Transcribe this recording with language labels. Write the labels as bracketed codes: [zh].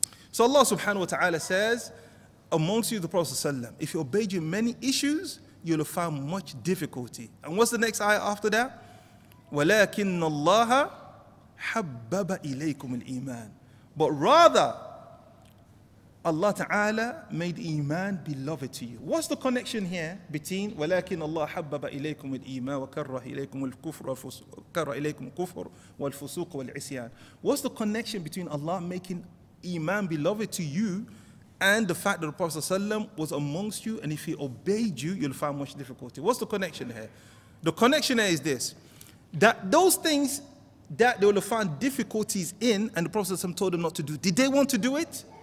[en] So Allah subhanahu wa ta'ala says, amongst you the Prophet, if he obeyed you in many issues, you'll have found much difficulty. And what's the next ayah after that? [ar] وَلَكِنَّ اللَّهَ حَبَّبَ إِلَيْكُمُ الْإِيمَانِ. [en] But rather, Allah Ta'ala made iman beloved to you. What's the connection here between [ar] ولكن الله حبب إليكم الإيمان وكره إليكم الكفر وكره إليكم الكفر والفسوق والعصيان. [en] What's the connection between Allah making iman beloved to you and the fact that the Prophet ﷺ was amongst you, and if he obeyed you, you'll find much difficulty? What's the connection here? The connection here is this, that those things that they will find difficulties in and the Prophet ﷺ told them not to do, did they want to do it?